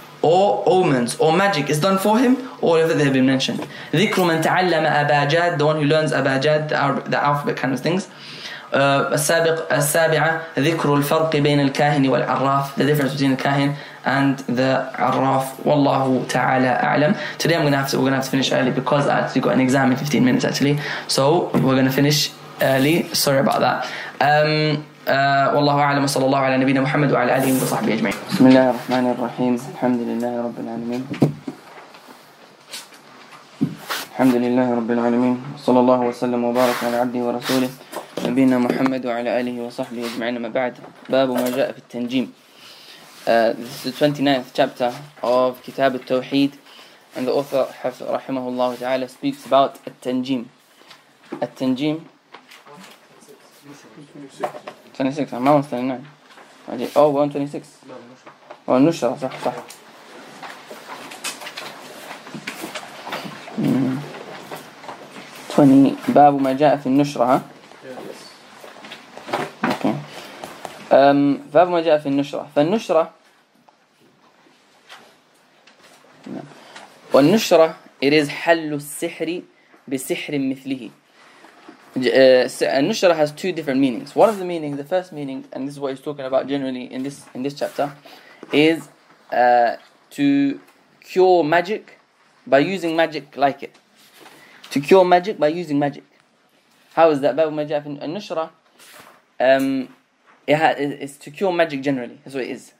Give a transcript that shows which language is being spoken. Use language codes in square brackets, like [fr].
[en] Or omens or magic is done for him, all of it they have been mentioned. [ar] ذكر من تعلم أباجاد, [en] the one who learns أباجاد, the alphabet kind of things. [ar] السابعة ذكر الفرق بين الكاهن والعراف, [en] the difference between the كاهن and the عراف. [ar] والله تعالى أعلم. [en] Today we're gonna have to finish early because I actually got an exam in 15 minutes actually. So we're gonna finish early. Sorry about that. [ar] والله أعلم صلى الله على نبينا محمد وعلى آله وصحبه أجمعين. بسم الله الرحمن الرحيم. الحمد لله رب العالمين. الحمد لله رب العالمين. صلى الله وسلم وبارك على عبده ورسوله نبينا محمد وعلى آله وصحبه أجمعين. ما بعد باب ما جاء في التنجيم. [en] This is the 29th chapter of كتاب التوحيد and the author [ar] رحمه الله تعالى [en] speaks about التنجيم. التنجيم 26, I'm almost 29. Oh, 126. No, oh, Nushra, صح, صح. [ar] Yeah. Mm. 20, باب ما جاء في النشرة, huh? [en] Yeah, yes. [ar] Okay. باب ما جاء في النشرة. فالنشرة, والنشرة, [en] it is [ar] حل السحر بسحر مثله. [en] Nushra has two different meanings. One of the meanings, the first meaning, and this is what he's talking about generally in this chapter, is to cure magic by using magic like it. To cure magic by using magic. How is that? Bab al-Majaf al-Nushra, it's to cure magic generally. That's what it is.